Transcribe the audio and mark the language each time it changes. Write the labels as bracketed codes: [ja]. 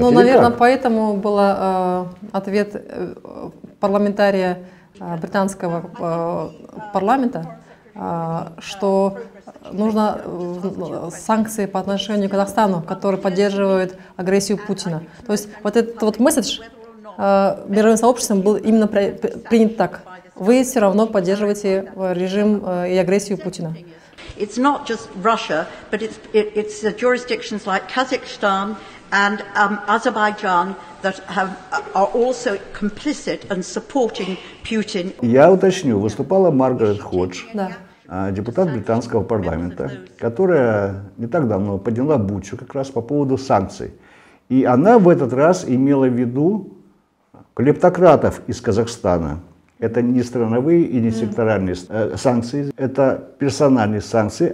[ru] Ну, наверное, поэтому был ответ парламентария британского парламента, что нужно санкции по отношению к Казахстану, которые поддерживают агрессию Путина. То есть вот этот вот месседж мировым сообществом был именно принят так. Вы все равно поддерживаете режим и агрессию Путина. [en] It's not just Russia, but it's the jurisdictions like Kazakhstan and Azerbaijan that have are also complicit and supporting Putin. [ru] Я уточню, выступала Маргарет Ходж, депутат британского парламента, которая не так давно подняла бучу как раз по поводу санкций. И она в этот раз имела в виду клептократов из Казахстана. Это не страновые и не секторальные санкции, это персональные санкции.